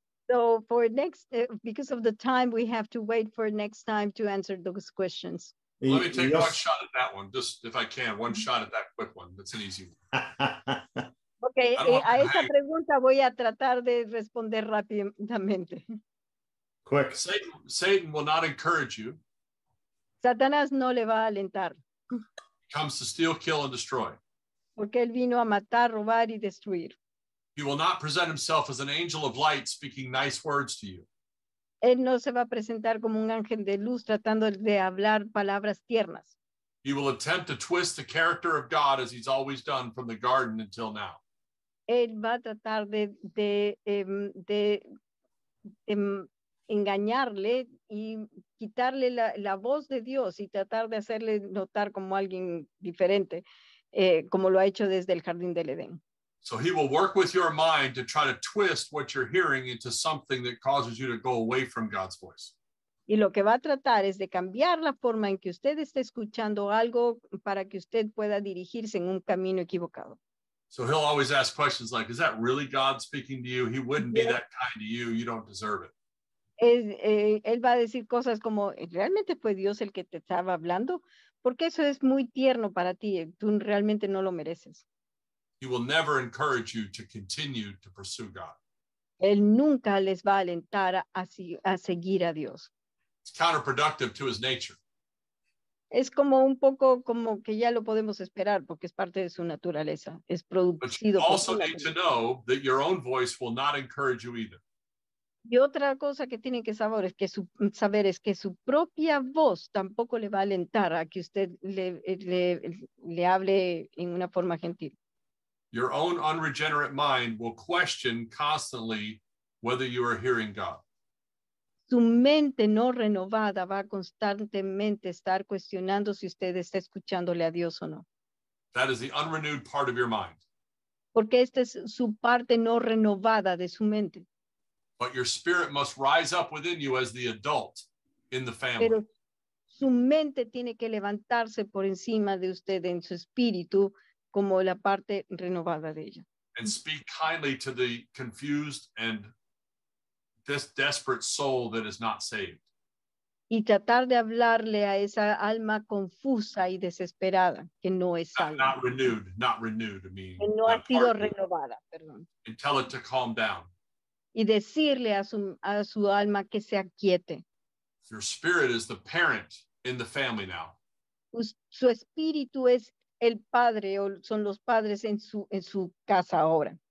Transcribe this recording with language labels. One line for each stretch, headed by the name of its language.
English: So for next, because of the time, we have to wait for next time to answer those questions. Well, let me take one shot at that one, just if I can, one shot at that quick one. That's an easy one.
Spanish: Okay, a esa pregunta voy a tratar de responder rápidamente.
English: Quick. Satan will not encourage you.
Spanish: Satanás no le va a alentar.
English: Comes to steal, kill, and destroy.
Spanish: Porque él vino a matar, robar, y destruir.
English: He will not present himself as an angel of light speaking nice words to you.
Spanish: Él no se va a presentar como un ángel de luz tratando de hablar palabras tiernas.
English: He will attempt to twist the character of God as he's always done from the garden until now.
Spanish: Él va a tratar de engañarle y quitarle la voz de Dios y tratar de hacerle notar como alguien diferente, como lo ha hecho desde el Jardín del Edén.
English: So he will work with your mind to try to twist what you're hearing into something that causes you to go away from God's voice.
Spanish: Y lo que va a tratar es de cambiar la forma en que usted está escuchando algo para que usted pueda dirigirse en un camino equivocado.
English: So he'll always ask questions like, is that really God speaking to you? He wouldn't be that kind to you. You don't deserve it.
Spanish: Él va a decir cosas como, ¿realmente fue Dios el que te estaba hablando? Porque eso es muy tierno para ti. Tú realmente no lo mereces.
English: He will never encourage you to continue to pursue God.
Spanish: Él nunca les va a alentar a seguir a Dios.
English: It's counterproductive to his nature.
Spanish: Es como un poco como que ya lo podemos esperar porque es parte de su naturaleza. Es producido.
English: But you also need to know that your own voice will not encourage you either.
Spanish: Y otra cosa que tienen que saber es que su propia voz tampoco le va a alentar a que usted le hable en una forma gentil.
English: Your own unregenerate mind will question constantly whether you are hearing God.
Spanish: Su mente no renovada va a constantemente estar cuestionando si usted está escuchándole a Dios o no.
English: That is the unrenewed part of your mind.
Spanish: Porque esta es su parte no renovada de su mente.
English: But your spirit must rise up within you as the adult in the family.
Spanish: Pero su mente tiene que levantarse por encima de usted en su espíritu como la parte renovada de ella.
English: And speak kindly to the confused and this desperate soul that is not saved.
Spanish: Y tratar de hablarle a esa alma confusa y desesperada que no es salva.
English: Not renewed.
Spanish: Que no ha sido renovada, perdón.
English: And tell it to calm down.
Spanish: Y decirle a su alma que se aquiete.
English: Your spirit is the parent in the family now.
Spanish: Su espíritu es el padre o son los padres en su casa ahora.